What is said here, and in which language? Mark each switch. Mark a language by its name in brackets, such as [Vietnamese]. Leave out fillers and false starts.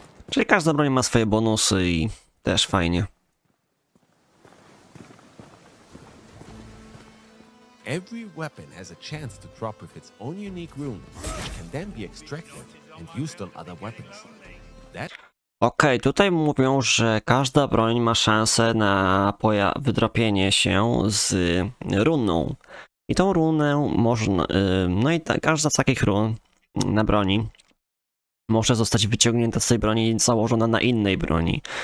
[Polish] Czyli każda broń ma swoje bonusy i też fajnie. [English] Every weapon has a chance to drop with its own unique rune, which can then be extracted and used on other weapons. That... [Polish] Okej, okay, tutaj mówią, że każda broń ma szansę na wydropienie się z runą. I tą runę można... no i każda z takich run na broni może zostać wyciągnięta z tej broni i założona na innej broni.